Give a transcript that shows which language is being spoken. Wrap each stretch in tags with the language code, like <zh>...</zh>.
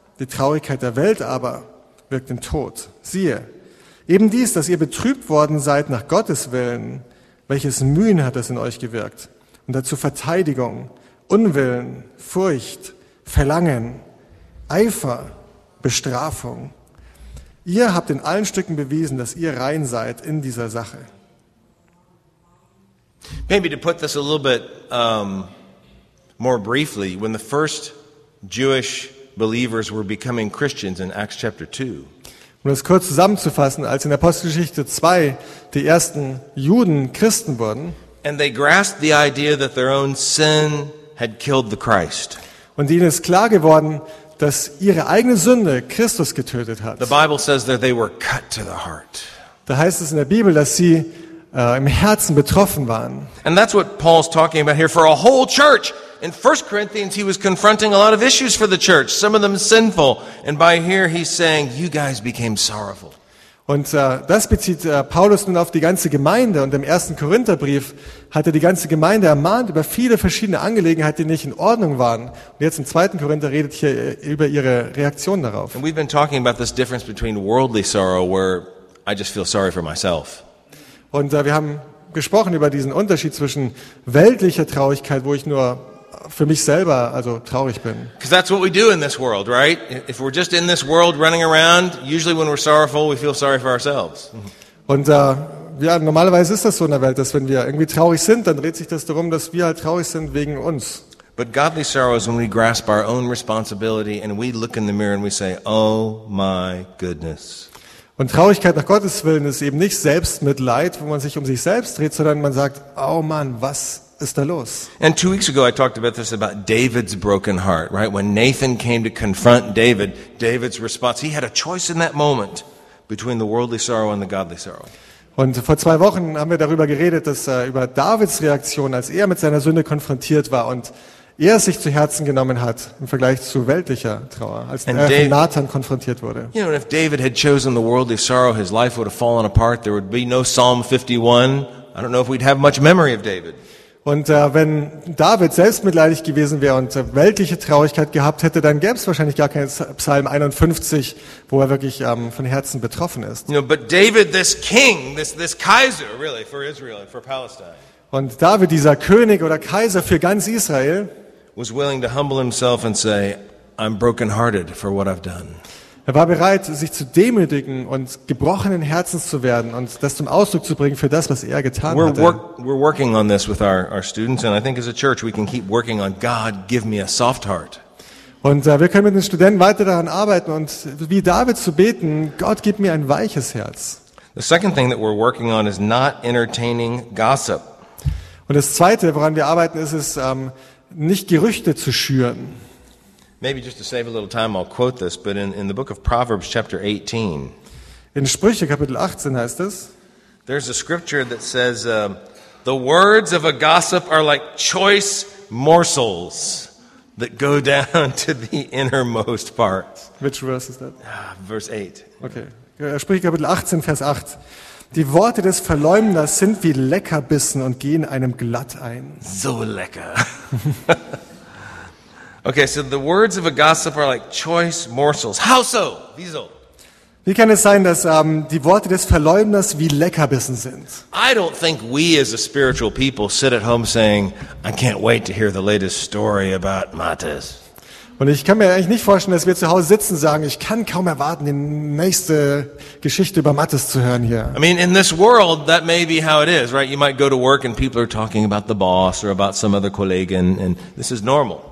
<de>Die Traurigkeit der Welt aber wirkt den Tod. Siehe, eben dies, dass ihr betrübt worden seid nach Gottes Willen, welches Mühen hat es in euch gewirkt? Und dazu Verteidigung, Unwillen, Furcht, Verlangen, Eifer, Bestrafung. Ihr habt in allen Stücken bewiesen, dass ihr rein seid in dieser Sache.</de> <en>Maybe to put this a little bit more briefly, when the first Jewish believers were becoming Christians in Acts chapter 2.</en> <de>Um das kurz zusammenzufassen, als in Apostelgeschichte 2 die ersten Juden Christen wurden.</de> <en>And they grasped the idea that their own sin had killed the Christ.</en> <de>Und ihnen ist klar geworden, dass ihre eigene Sünde Christus getötet hat.</de> <en>The Bible says that they were cut to the heart.</en> <de>Da heißt es in der Bibel, dass sie im Herzen betroffen waren.</de> <en>And that's what Paul's talking about here for a whole church. In 1 Corinthians he was confronting a lot of issues for the church, some of them sinful, and by here he's saying you guys became sorrowful.</en> <de>Und das bezieht Paulus nun auf die ganze Gemeinde und im ersten Korintherbrief hat er die ganze Gemeinde ermahnt über viele verschiedene Angelegenheiten, die nicht in Ordnung waren. Und jetzt im zweiten Korinther redet hier über ihre Reaktion darauf.</de> <en>And we've been talking about this difference between worldly sorrow where I just feel sorry for myself.</en> <de>Und wir haben gesprochen über diesen Unterschied zwischen weltlicher Traurigkeit, wo ich nur für mich selber also traurig bin.</de> <en>Because that's what we do in this world, right? If we're just in this world running around, usually when we're sorrowful, we feel sorry for ourselves.</en> <de>Und ja, normalerweise ist das so in der Welt, dass wenn wir irgendwie traurig sind, dann dreht sich das darum, dass wir halt traurig sind wegen uns.</de> <en>But godly sorrow is when we grasp our own responsibility and we look in the mirror and we say, oh my goodness.</en> <de>Und Traurigkeit nach Gottes Willen ist eben nicht Selbstmitleid, wo man sich um sich selbst dreht, sondern man sagt, oh Mann, was ist da los?</de> <en>And 2 weeks ago I talked about this, about David's broken heart, right? When Nathan came to confront David, David's response, he had a choice in that moment between the worldly sorrow and the godly sorrow.</en> <de>Und vor 2 Wochen haben wir darüber geredet, dass über Davids Reaktion, als er mit seiner Sünde konfrontiert war und er sich zu Herzen genommen hat im Vergleich zu weltlicher Trauer, als er mit Nathan konfrontiert wurde.</de> <en>You know, if David had chosen the worldly sorrow, his life would have fallen apart. There would be no Psalm 51. I don't know if we'd have much memory of David.</en> <de>Und wenn David selbstmitleidig gewesen wäre und weltliche Traurigkeit gehabt hätte, dann gäbe es wahrscheinlich gar keinen Psalm 51, wo er wirklich von Herzen betroffen ist.</de> <en>You know, but David, this king, this Kaiser, really, for Israel and for Palestine.</en> <de>Und David, dieser König oder Kaiser für ganz Israel,</de> <en>was willing to humble himself and say, I'm brokenhearted for what I've done.</en> <de>Er war bereit, sich zu demütigen und gebrochenen Herzens zu werden und das zum Ausdruck zu bringen für das, was er getan hatte.</de> <en>We're working on this with our students, and I think as a church we can keep working on God, give me a soft heart.</en> <de>Und wir können mit den Studenten weiter daran arbeiten und wie David zu beten, Gott, gib mir ein weiches Herz.</de> <en>The second thing that we're working on is not entertaining gossip.</en> <de>Und das Zweite, woran wir arbeiten, ist es, nicht Gerüchte zu schüren.</de> <en>Maybe just to save a little time, I'll quote this, but in the book of Proverbs, chapter 18.</en> <de>In Sprüche, Kapitel 18 heißt es.</de> <en>There's a scripture that says, the words of a gossip are like choice morsels that go down to the innermost parts. Which verse is that? Verse 8.</en> <de>Okay. Sprüche, Kapitel 18, Vers 8. Die Worte des Verleumders sind wie Leckerbissen und gehen einem glatt ein. So lecker.</de> <en>Okay, so the words of a gossip are like choice morsels. How so?</en> <de>Wieso? Wie kann es sein, dass die Worte des Verleumders wie Leckerbissen sind?</de> <en>I don't think we as a spiritual people sit at home saying, I can't wait to hear the latest story about Matthias.</en> <de>Und ich kann mir eigentlich nicht vorstellen, dass wir zu Hause sitzen und sagen, ich kann kaum erwarten, die nächste Geschichte über Matthias zu hören hier.</de> <en>I mean, in this world, that may be how it is, right? You might go to work and people are talking about the boss or about some other Kollegen, and this is normal.</en>